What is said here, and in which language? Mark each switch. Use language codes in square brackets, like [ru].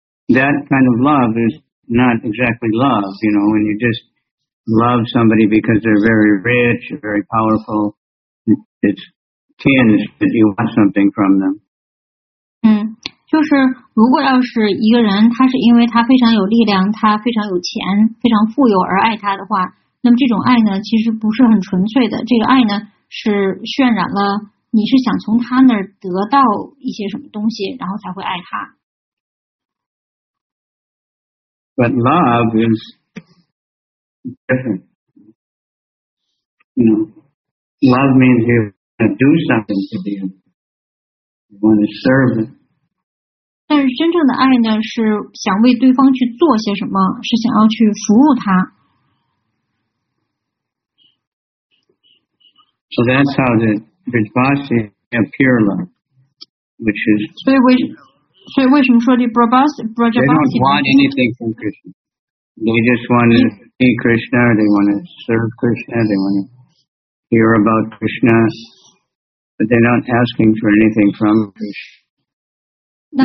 [en] That kind of love is not exactly love, you know, when you just love somebody because they're very rich, very powerful, it's tinged that you want something from them. [zh] 就是如果要是一个人他是因为他非常有力量，他非常有钱，非常富有而爱他的话，那么这种爱呢其实不是很纯粹的，这个爱呢是渲染了你是想从他那儿得到一些什么东西，然后才会爱他。 [en] But love is different. You know, love means you want to do something to them. You want to serve them. [zh] 但是真正的爱呢，是想为对方去做些什么，是想要去服务他。 [en] So that's how the Vrijvasi of pure love, which is. So, why do you say the Vrijvasi? They don't want anything from Krishna. They just want to see Krishna, they want to serve Krishna, they want to hear about Krishna, but they're not asking for anything from Krishna.